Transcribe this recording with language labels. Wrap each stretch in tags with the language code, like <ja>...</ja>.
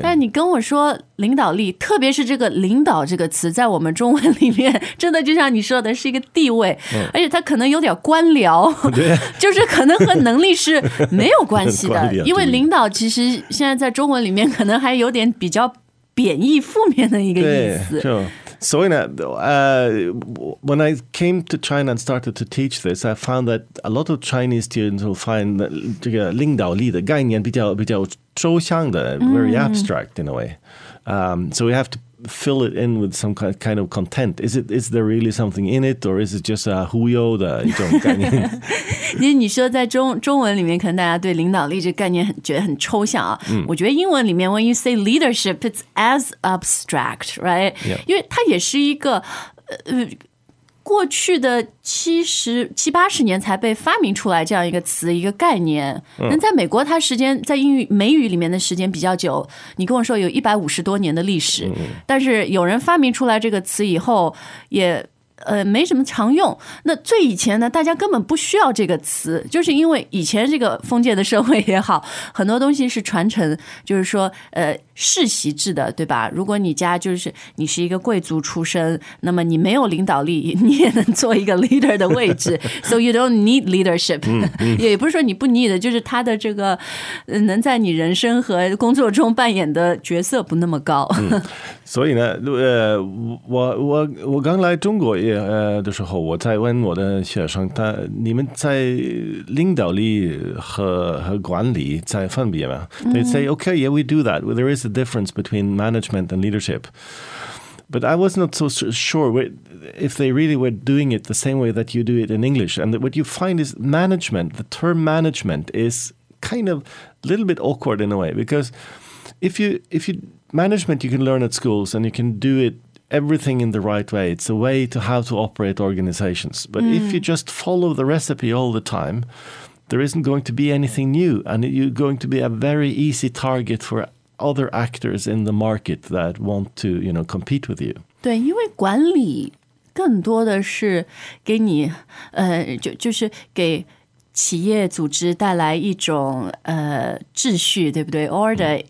<zh>但你跟我说领导力，特别是这个领导这个词，在我们中文里面真的就像你说的是一个地位，而且它可能有点官僚，就是可能和能力是没有关系的。因为领导其实现在在中文里面可能还有点比较贬义负面的一个意思。</zh> <en>So when I came to China and started to teach this, I found that a lot of Chinese students will find that</en> <zh>这个领导力的概念比较抽象的</zh> <en>very abstract in a way. So we have to fill it in with some kind of content. Is there really something in it, or is it just a</en> <zh>忽悠的一种概念？因为你说在中文里面，可能大家对领导力这个概念觉得很抽象啊。我觉得英文里面</zh> <en>，when you say leadership, it's as abstract, right? Yeah.</en> <zh>因为它也是一个过去的70-80年才被发明出来这样一个词一个概念。那在美国它时间在英语美语里面的时间比较久，你跟我说有150多年的历史，但是有人发明出来这个词以后也没什么常用。那最以前呢，大家根本不需要这个词，就是因为以前这个封建的社会也好，很多东西是传承，就是说世袭制的，对吧？如果你家就是你是一个贵族出身，那么你没有领导力，你也能做一个 leader 的位置。</zh> <en>So you don't need leadership.</en> <zh>也不是说你不 need， 就是他的这个能在你人生和工作中扮演的角色不那么高。所以呢，我刚来中国的时候，我在问我的学生，你们在领导力 和管理在分别吗？</zh> <en>They say, okay, yeah, we do that. There is a difference between management and leadership. But I was not so sure if they really were doing it the same way that you do it in English. And what you find is management, the term management is kind of a little bit awkward in a way, because if you management, you can learn at schools and you can do it everything in the right way. It's a way to how to operate organizations. But if you just follow the recipe all the time, there isn't going to be anything new. And you're going to be a very easy target for other actors in the market that want to, you know, compete with you.</en> <zh>对，因为管理更多的是给你，就是给企业组织带来一种秩序，对不对 ？Order.</zh>